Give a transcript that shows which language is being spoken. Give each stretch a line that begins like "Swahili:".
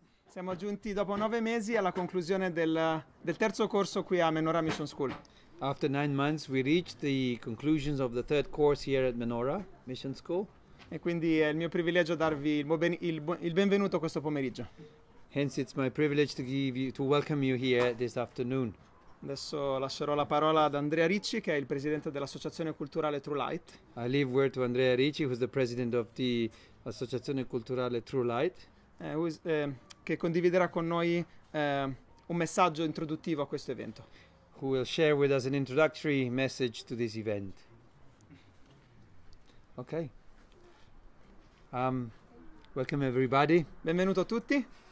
Italian: Siamo giunti dopo 9 mesi alla conclusione del terzo corso qui a Menorah Mission School.
English: After 9 months, we reached the conclusions of the third course here at Menorah Mission School.
Italian: E quindi è il mio privilegio darvi il benvenuto questo pomeriggio.
English: Hence, it's my privilege to welcome you here this afternoon.
Italian: Adesso lascerò la parola ad Andrea Ricci, che è il presidente dell'associazione culturale True Light.
English: I leave word to Andrea Ricci, who is the president of the Associazione Culturale True Light.
Italian: Che condividerà con noi un messaggio introduttivo a questo evento.
English: Who will share with us an introductory message to this event? Okay. Welcome everybody.
Italian: Benvenuto a tutti.